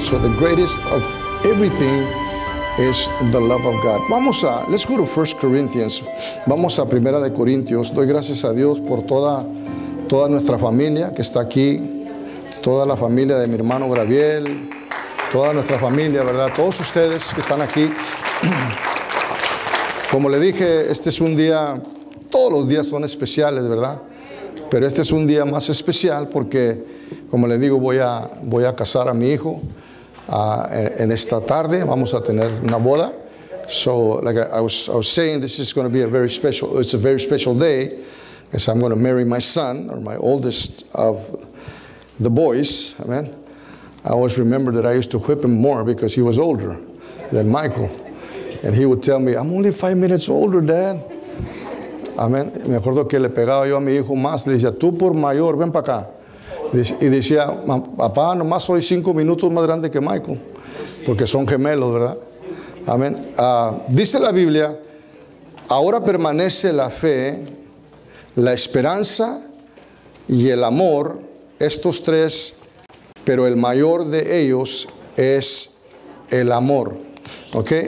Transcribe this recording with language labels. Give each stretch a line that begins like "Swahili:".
English: So the greatest of everything is the love of God.
Spanish: Vamos a,
English: let's go to 1 Corinthians.
Spanish: Vamos a Primera de Corintios. Doy gracias a Dios por toda nuestra familia que está aquí. Toda la familia de mi hermano Graviel. Toda nuestra familia, ¿verdad? Todos ustedes que están aquí. Como le dije, este es un día, todos los días son especiales, ¿verdad? Pero este es un día más especial porque, como le digo, voy a casar a mi hijo. En esta tarde vamos a tener una boda.
English: So, like I was saying, this is going to be a very special, it's a very special day, because I'm going to marry my son, or my oldest of the boys. Amen. I always remember that I used to whip him more because he was older than Michael. And he would tell me, I'm only 5 minutes older, Dad. Amen.
Spanish: Me acuerdo que le pegaba yo a mi hijo más, le decía, tú por mayor, ven para acá. Y decía, papá, nomás soy 5 minutos más grande que Michael, porque son gemelos, ¿verdad? Amén. Dice la Biblia, ahora permanece la fe, la esperanza y el amor, estos tres, pero el mayor de ellos es el amor. ¿Ok?